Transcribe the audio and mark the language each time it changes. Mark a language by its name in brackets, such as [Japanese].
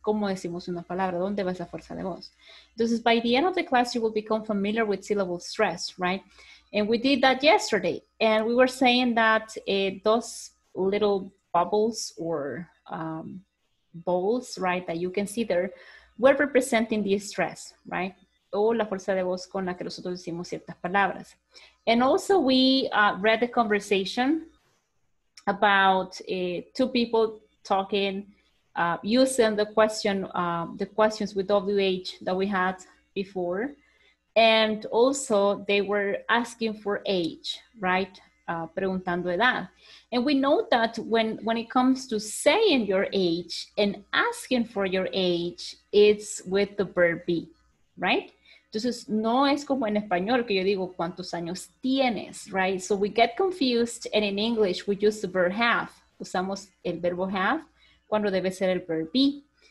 [Spanish] ¿Cómo decimos una palabra? ¿Dónde va esa fuerza de voz? [English] Entonces, by the end of the class, you will become familiar with syllable stress, right? And we did that yesterday. And we were saying that those little bubbles or balls, right, that you can see there, were representing the stress, right? [Spanish] O la fuerza de voz con la que nosotros decimos ciertas palabras. [English] And also we read the conversation about two people talking, using the questions with WH that we had before. And also they were asking for age, right? [Spanish] Preguntando edad. [English] And we know that when it comes to saying your age and asking for your age, it's with the verb be, right? [Spanish] Entonces, no es como en español que yo digo, ¿cuántos años tienes? [English] Right? So we get confused, and in English, we use the verb have. [Spanish] Usamos el verbo have cuando debe ser el verb be.